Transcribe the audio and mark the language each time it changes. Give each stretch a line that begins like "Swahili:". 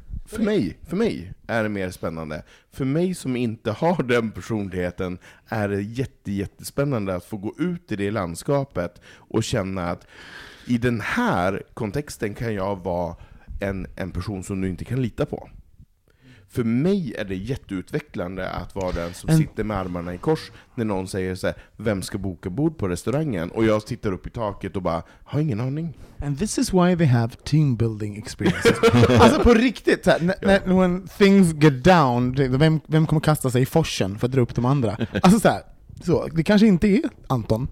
Swedish: För mig är det mer spännande. För mig som inte har den personligheten är det jättespännande att få gå ut i det landskapet och känna att i den här kontexten kan jag vara en person som du inte kan lita på. För mig är det jätteutvecklande att vara den som sitter med armarna i kors när någon säger så här: vem ska boka bord på restaurangen? Och jag tittar upp i taket och bara, har ingen aning.
English: And this is why we have team building experiences.
Swedish: Alltså på riktigt, så här, ja.
English: When things get down,
Swedish: vem kommer kasta sig i forsen för att dra upp de andra? Alltså så det kanske inte är Anton.